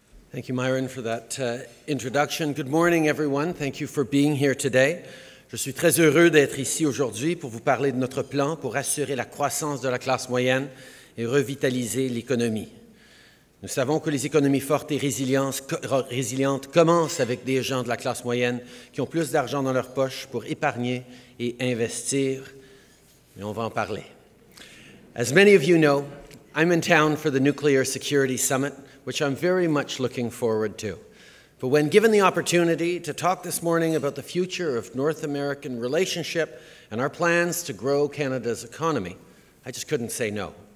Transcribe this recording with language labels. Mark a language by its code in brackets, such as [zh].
[en] Thank you, Myron, for that introduction. Good morning, everyone. Thank you for being here today. [fr] Je suis très heureux d'être ici aujourd'hui pour vous parler de notre plan pour assurer la croissance de la classe moyenne et revitaliser l'économie. Nous savons que les économies fortes et résilientes commencent avec des gens de la classe moyenne qui ont plus d'argent dans leur poche pour épargner et investir. Mais on va en parler. [en] As many of you know, I'm in town for the Nuclear Security Summit, which I'm very much looking forward to. But when given the opportunity to talk this morning about the future of North American relationship and our plans to grow Canada's economy, I just couldn't say no.